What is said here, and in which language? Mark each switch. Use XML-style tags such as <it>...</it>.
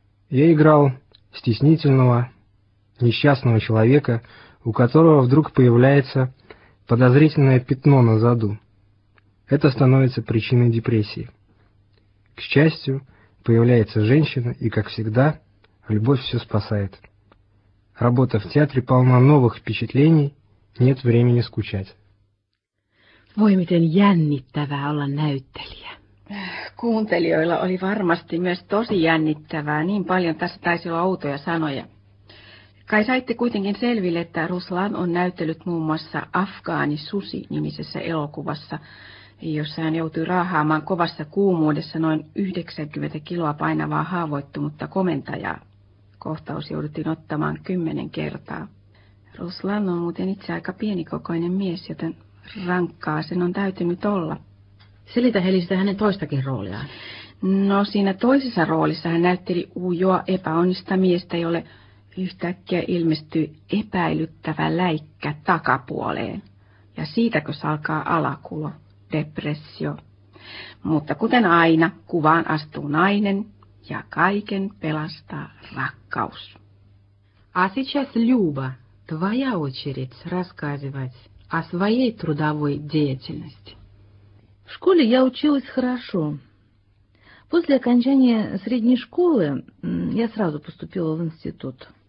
<ru>Я играл стеснительного, несчастного человека, у которого вдруг появляется подозрительное пятно на заду. Это становится причиной депрессии. К счастью, появляется женщина, и, как всегда, любовь все спасает. Работа в театре полна новых впечатлений, нет времени скучать.</ru> <fi>Ой, miten jännittävää olla näyttelijä. Kuuntelijoilla oli varmasti myös tosi jännittävää, niin paljon tässä taisi olla outoja sanoja. Kai saitte kuitenkin selville, että Ruslan on näyttellyt muun muassa Afgaani Susi-nimisessä elokuvassa, jossa hän joutui raahaamaan kovassa kuumuudessa noin 90 kiloa painavaa haavoittumutta komentajaa. Kohtaus jouduttiin ottamaan 10 kertaa. Ruslan on muuten itse aika pienikokoinen mies, joten rankkaa sen on täytynyt olla. Selitä Heli sitä hänen toistakin rooliaan. No siinä toisessa roolissa hän näytteli ujoa epäonnista miestä, jolle yhtäkkiä ilmestyy epäilyttävä läikkä takapuoleen. Ja siitäkö se alkaa alakulo, depressio. Mutta kuten aina, kuvaan astuu nainen ja kaiken pelastaa rakkaus.</fi> <ru>А сейчас, Люба, твоя очередь рассказывать о своей трудовой деятельности. В школе я училась хорошо. После окончания средней школы я сразу поступила в институт.</ru>